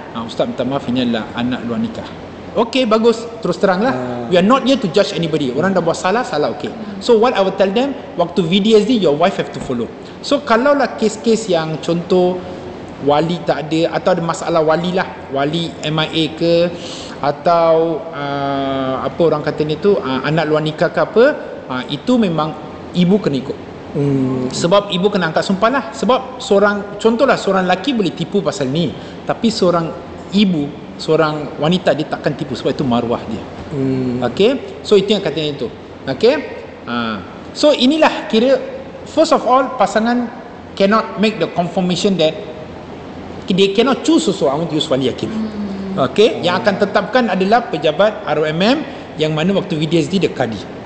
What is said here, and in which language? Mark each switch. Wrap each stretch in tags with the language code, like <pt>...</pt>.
<ms>Ustaz minta maaf, ini adalah anak luar nikah.</ms> <en>Okay,</en> <ms>bagus, terus teranglah.</ms> <en>We are not here to judge anybody.</en> <ms>Orang dah buat salah, salah, okay.</ms> <en>So what I will tell them, waktu VDSD your wife have to follow.</en> <ms>So kalau lah kes-kes yang contoh wali tak ada, atau ada masalah wali lah, wali MIA ke, atau apa orang kata ni tu, anak luar nikah ke apa, itu memang ibu kena ikut. Sebab ibu kena angkat sumpah lah. Sebab seorang, contohlah seorang lelaki boleh tipu pasal ni, tapi seorang ibu, seorang wanita, dia takkan tipu, sebab itu maruah dia. Okay, so itu yang katanya itu.</ms> <en>Okay,</en> <ms>so inilah kira,</ms> <en>first of all, pasangan cannot make the confirmation that they cannot choose also, I want to use wali hakim.</en> <ms>Okay, yang akan tetapkan adalah pejabat RMM, yang mana waktu VDSD dia kadi.</ms>